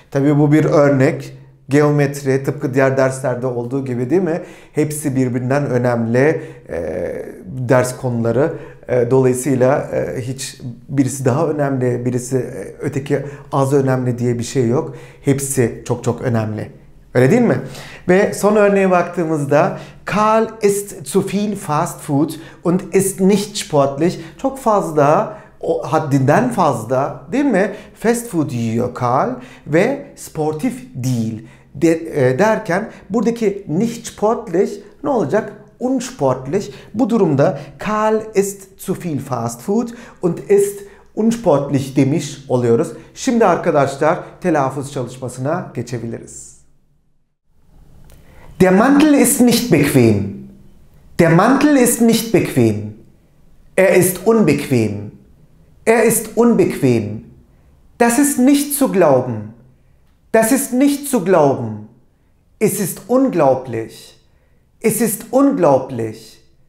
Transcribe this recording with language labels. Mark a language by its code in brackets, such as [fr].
[tr] Tabii bu bir örnek. Geometri tıpkı diğer derslerde olduğu gibi, değil mi? Hepsi birbirinden önemli ders konuları. Dolayısıyla hiç birisi daha önemli, birisi öteki az önemli diye bir şey yok. Hepsi çok çok önemli. Öyle değil mi? Ve son örneğe baktığımızda [de] Karl isst zu viel fast food und ist nicht sportlich. [tr] Çok fazla, o haddinden fazla, değil mi, fast food yiyor Karl ve sportif değil derken buradaki [de] nicht sportlich [tr] ne olacak? [de] unsportlich. [tr] Bu durumda [de] Karl isst zu viel fast food und isst unsportlich [tr] demiş oluyoruz. Şimdi arkadaşlar telaffuz çalışmasına geçebiliriz. [de] Der Mantel ist nicht bequem. Der Mantel ist nicht bequem. Er ist unbequem. Er ist unbequem. Das ist nicht zu glauben. Das ist nicht zu glauben. Es ist unglaublich. Es ist unglaublich.